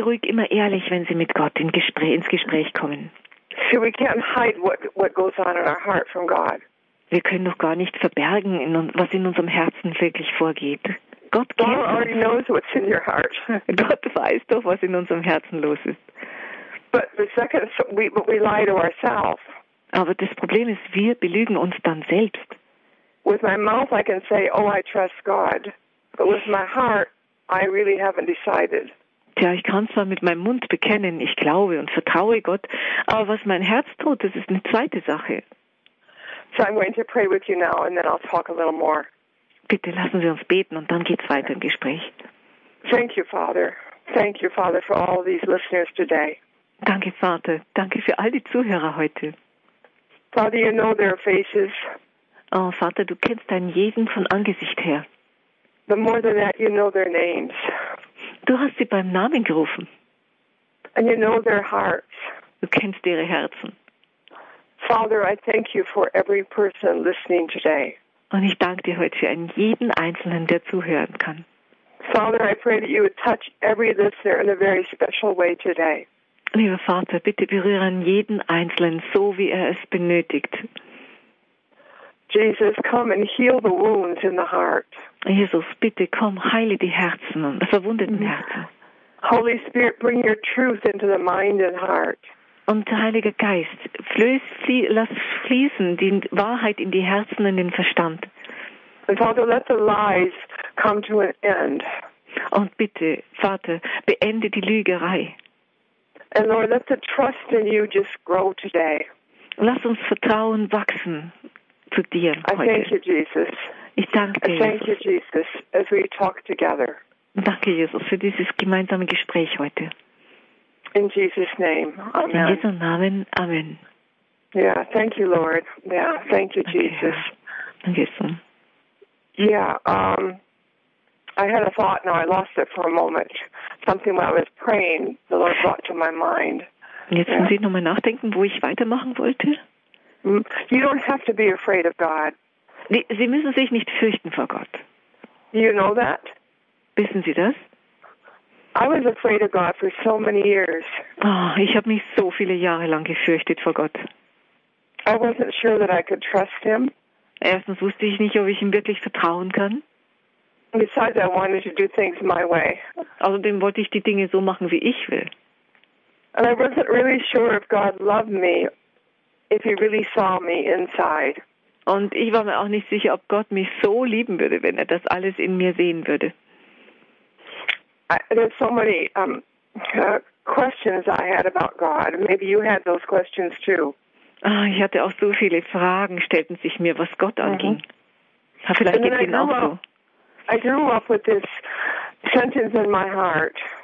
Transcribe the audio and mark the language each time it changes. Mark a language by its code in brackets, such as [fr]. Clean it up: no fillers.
[de] ruhig immer ehrlich, wenn Sie mit Gott ins Gespräch kommen. [en] So we can't hide what goes on in our heart from God. [de] Wir können doch gar nicht verbergen, was in unserem Herzen wirklich vorgeht. Gott kennt [en] God already knows what's in your heart. [de] Gott weiß doch, was in unserem Herzen los ist. [en] But the second, we lie to ourselves. [de] Aber das Problem ist, wir belügen uns dann selbst. [en] With my mouth I can say, oh, I trust God. But with my heart, I really haven't decided. [de] Tja, ich kann zwar mit meinem Mund bekennen, ich glaube und vertraue Gott, aber was mein Herz tut, das ist eine zweite Sache. [en] So I'm going to pray with you now and then I'll talk a little more. [de] Bitte lassen Sie uns beten und dann geht's weiter im Gespräch. [en] Thank you, Father. Thank you, Father, for all these listeners today. [de] Danke, Vater. Danke für all die Zuhörer heute. [en] Father, you know their faces. [de] Oh, Vater, du kennst deinen jeden von Angesicht her. [en] But more than that, you know their names. [de] Du hast sie beim Namen gerufen. [en] And you know their hearts. [de] Du kennst ihre Herzen. [en] Father, I thank you for every person listening today. [de] Und ich danke dir heute für einen jeden Einzelnen, der zuhören kann. [en] Father, I pray that you would touch every listener in a very special way today. [de] Lieber Vater, bitte berühre jeden Einzelnen, so wie er es benötigt. [en] Jesus, come and heal the wounds in the heart. [de] Jesus, bitte komm, heile die Herzen, verwundeten Herzen. [en] Holy Spirit, bring your truth into the mind and heart. [de] Und der Heilige Geist, lass fließen die Wahrheit in die Herzen und den Verstand. [en] And Father, let the lies come to an end. [de] Und bitte, Vater, beende die Lügerei. [en] And Lord, let the trust in you just grow today. [de] Lass uns Vertrauen wachsen zu dir heute. [en] I thank you, Jesus. [de] Ich danke dir, Jesus. [en] Thank you, Jesus, as we talk together. [de] Danke, Jesus, für dieses gemeinsame Gespräch heute. [en] In Jesus' name. Amen. [de] In Jesu Namen. Amen. [en] Yeah, thank you, Lord. Yeah, thank you, Jesus. [de] Danke, Herr. Danke, Jesus. [en] Yeah, I had a thought, now I lost it for a moment. Something while I was praying, the Lord brought to my mind. [de] Jetzt müssen Sie nochmal nachdenken, wo ich weitermachen wollte. [en] You don't have to be afraid of God. [de] Sie müssen sich nicht fürchten vor Gott. [en] You know that? [de] Wissen Sie das? [en] I was afraid of God for so many years. [de] Oh, ich habe mich so viele Jahre lang gefürchtet vor Gott. [en] I wasn't sure that I could trust him. [de] Erstens wusste ich nicht, ob ich ihm wirklich vertrauen kann. [en] Besides, I wanted to do things my way. [de] Außerdem wollte ich die Dinge so machen, wie ich will. [en] And I wasn't really sure if God loved me, if he really saw me inside. [de] Und ich war mir auch nicht sicher, ob Gott mich so lieben würde, wenn er das alles in mir sehen würde. [en] There's so many questions I had about God. Maybe you had those questions too. [de] Oh, ich hatte auch so viele Fragen, stellten sich mir, was Gott anging. Mm-hmm. Vielleicht geht es Ihnen auch so. [en] I grew up with this sentence in my heart.